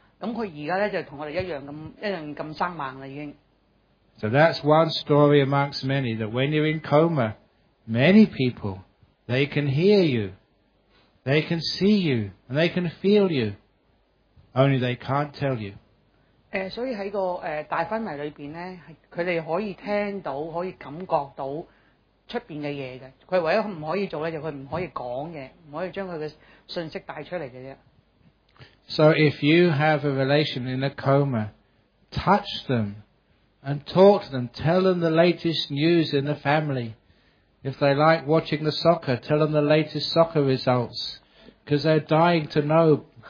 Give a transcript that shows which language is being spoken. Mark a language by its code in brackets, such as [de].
[yue] 咁佢而家咧就同我哋一樣咁生猛啦，已經。 [en] So that's one story amongst many that when you're in coma, many people they can hear you, they can see you, and they can feel you, only they can't tell you. [yue] 所以喺個大昏迷裏邊咧，係佢哋可以聽到，可以感覺到。出面嘅嘢嘅，佢唯一唔可以做咧，就佢唔可以講嘢，唔可以將佢嘅信息帶出嚟嘅啫。 [en] So if you have a relation in a coma, touch them and talk to them, tell them the latest news in the family. If they like watching the soccer, tell them the latest soccer results, because they're dying to know.